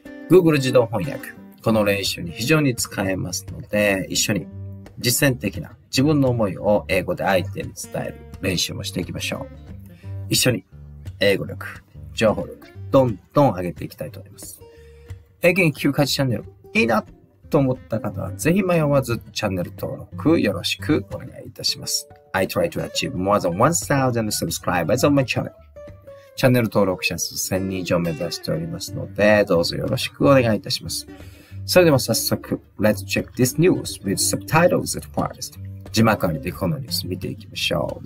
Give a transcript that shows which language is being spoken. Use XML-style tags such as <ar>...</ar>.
<ja>Google 自動翻訳この練習に非常に使えますので一緒に実践的な自分の思いを英語で相手に伝える練習もしていきましょう。一緒に英語力、情報力、どんどん上げていきたいと思います。英検1級価値チャンネル、いいなと思った方は、ぜひ迷わずチャンネル登録よろしくお願いいたします。</ja> <en>I try to achieve more than 1,000 subscribers on my channel.</en> <ja>チャンネル登録者数1000人以上目指しておりますので、どうぞよろしくお願いいたします。それでは早速、</ja> <en>Let's check this news with subtitles at first.</en> <ja>字幕ありでこのニュース見ていきましょう。</ja>